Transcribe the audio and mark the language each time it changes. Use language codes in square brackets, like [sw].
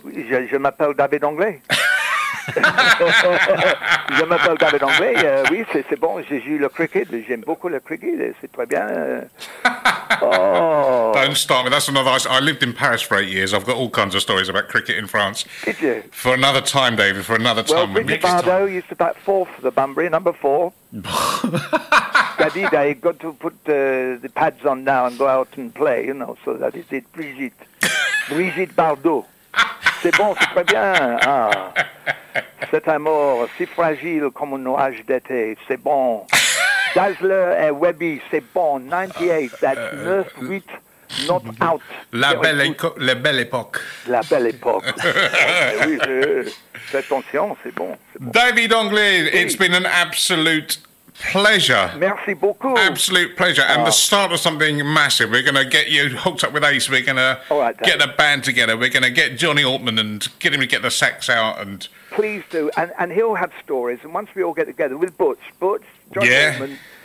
[fr] Je m'appelle David Anglais. Je m'appelle David Anglais. Oui, c'est bon. J'ai joué le cricket. J'aime beaucoup le cricket. C'est très bien. [en] Oh. Don't start me. That's another. I lived in Paris for 8 years. I've got all kinds of stories about cricket in France. Did you? For another time, David. For another time. Well, Richard Bardo used to bat fourth for the Bunbury, number four. David, I got to put the pads on now and go out and play, you know. So that is it, [fr] Brigitte. Brigitte Bardot. C'est bon, c'est très bien. Ah. Cet amour si fragile comme un nuage d'été, c'est bon. Dazzler et Webby, c'est bon. [en] 98, that's 9-8, not out. [fr] La belle, la belle époque. La belle époque. Oui, fais attention, c'est bon. David Anglais, oui. [en] It's been an absolute pleasure. [fr] Merci beaucoup. [en] Absolute pleasure. And the start of something massive. We're going to get you hooked up with Ace. We're going right, to get the band together. We're going to get Johnny Altman and get him to get the sax out. And please do. And he'll have stories. And once we all get together with Butch, Johnny Altman,